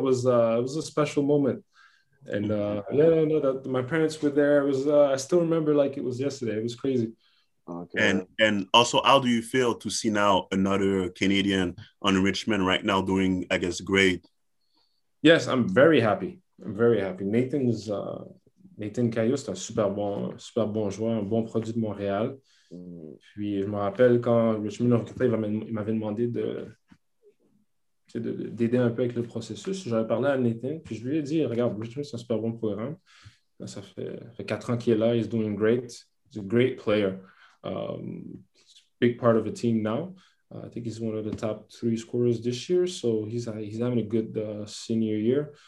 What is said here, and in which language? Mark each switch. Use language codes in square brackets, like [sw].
[en] It was a special moment. And my parents were there. It was I still remember like it was yesterday. It was crazy. Okay. And also, how do you feel to see now another Canadian on Richmond right now doing, I guess, great? Yes, I'm very happy. I'm very happy. [fr] Nathan Caillou, c'est un super bon joueur, un bon produit de Montréal. Puis je me rappelle quand Richmond l'a recruté, il m'avait demandé d'aider un peu avec le processus. J'avais parlé à Nathan, puis je lui ai dit, regarde, Richmond, c'est un super bon programme. Ça fait 4 ans qu'il est là, [en] he's doing great. He's a great player. Big part of the team now. I think he's one of the top 3 scorers this year, so he's having a good senior year.